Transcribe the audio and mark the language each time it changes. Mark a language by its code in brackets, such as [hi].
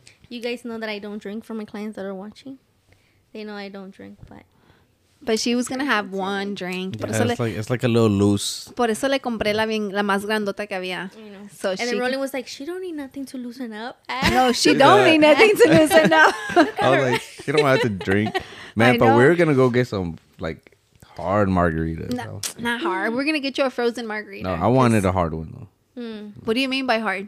[en] You guys know that I don't drink for my clients that are watching. They know I don't drink, but... But she was going to have one drink. Yeah, it's like a little loose. [es] Por eso le compré la más grandota que había. [en] So and then Rolling was like, she don't need nothing to loosen up. No, she don't need nothing to loosen up. I was like, she don't have to drink. Man, but we're going to go get some like hard margaritas. Not hard. We're going to get you a frozen margarita. No, I wanted a hard one though. Mm. What do you mean by hard?